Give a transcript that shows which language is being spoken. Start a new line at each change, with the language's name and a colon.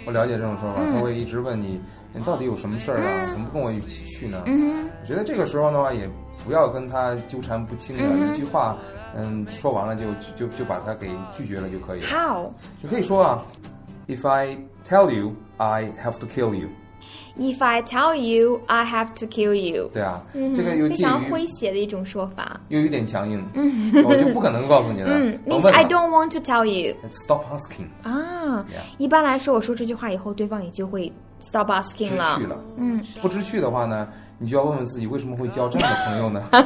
Chinese: 我了解这种说法，他会一直问你到底有什么事儿啊？怎么不跟我一起去呢？我觉得这个时候的话，也不要跟他纠缠不清了，一句话，说完了就把他给拒绝了就可以了。
English: How?
Chinese: 就可以说啊
English: ，If I tell you, I have to kill you. If I tell you, I have to kill you.
Chinese: 对啊，这个又非常诙谐的一种说法，又有点强硬，我就不可能告诉你了。
English: means I don't want to tell you. Stop asking. 啊、 yeah. ，
Chinese: 一般来说，我说这句话以后，对方也就会
English: stop asking
Chinese: 了。知趣了，不知趣的话呢，你就要问问自己，为什么会交这样的朋友呢？